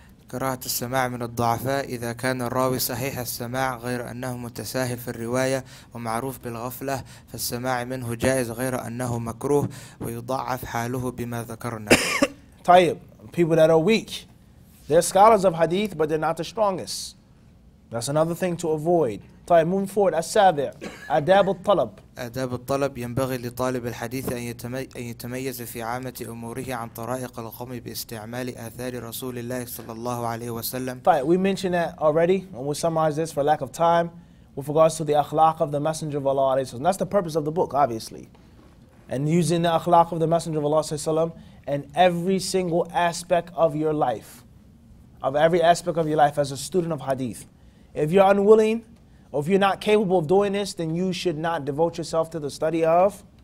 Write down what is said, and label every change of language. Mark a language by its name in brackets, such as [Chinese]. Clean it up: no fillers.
[Arabic] كراهة السماع من الضعفاء إذا كان الراوي صحيح السماع غير أنه متساهل في الرواية ومعروف بالغفلة فالسماع منه جائز غير أنه مكروه ويضعف حاله بما ذكرنا [English] طيب people that are weak they're scholars of hadith but they're not the strongest that's another thing to avoid طيب moving forward [Arabic] السابع آداب الطلب آداب الطلب ينبغي لطالب الحديث أن يتميز في عامة أموره عن طرائق القوم باستعمال آثار رسول الله صلى الله عليه وسلم [English] طيب we mentioned that already and we summarize this for lack of time with regards to the akhlaq of the messenger of Allah [Arabic] عليه الصلاة والسلام [English] that's the purpose of the book obviously and using the akhlaq of the messenger of Allah [Arabic] صلى الله عليه وسلم [English] in every single aspect of your life of every aspect of your life as a student of hadith if you're unwilling or if you're not capable of doing this then you should not devote yourself to the study of